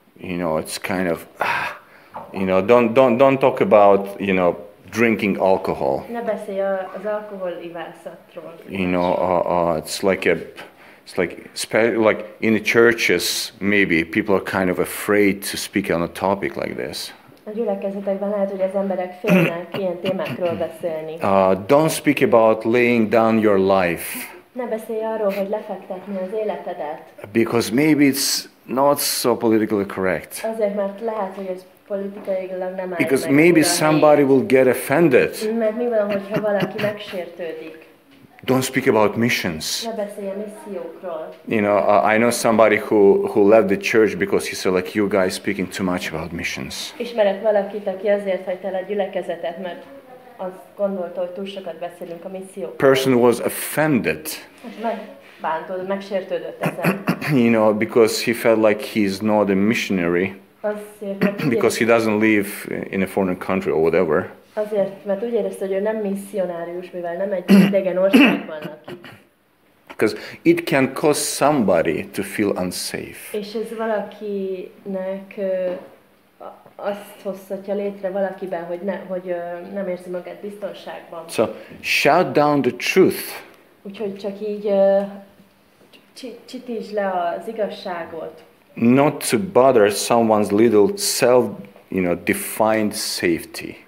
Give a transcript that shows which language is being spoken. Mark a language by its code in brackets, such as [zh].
[en] You know, it's kind of, you know, don't talk about, you know, drinking alcohol. [hu] Ne beszélj az alkohol ivászatról. [en] You know, it's like in the churches, maybe people are kind of afraid to speak on a topic like this. [hu] A gyülekezetekben lehet, hogy az emberek félnek ilyen témákról beszélni. [en] Don't speak about laying down your life. [hu] Ne beszélj arról, hogy lefektetni az életedet. [en] Because maybe it's not so politically correct. [hu] Azért, mert lehet, hogy ez politikailag nem áll. [en] Because maybe somebody will get offended. [hu] Mert mi van, hogyha valaki megsértődik. [en] Don't speak about missions. [hu] Ne beszélj a missziókról. [en] You know, I know somebody who left the church because he said, like, you guys speaking too much about missions. [hu] Ismerek valakit, aki azért hagyta el a gyülekezetet, mert azt gondolta, hogy túl sokat beszélünk a missziókról. [en] Person was offended. [hu] Megbántod, megsértődött ezen. [en] You know, because he felt like he's not a missionary. [hu] Azért, [en] because he doesn't live in a foreign country or whatever. [hu] Azért, mert úgy érezte, hogy ő nem misszionárius, mivel nem egy idegen országban lakik. [en] Because it can cause somebody to feel unsafe. [hu] És ez valakinek azt hozhatja létre valakiben, hogy nem érzi magát biztonságban. [en] So, shout down the truth. [hu] Úgyhogy csak így csitítsd le az igazságot. [en] Not to bother someone's little self, you know, defined safety.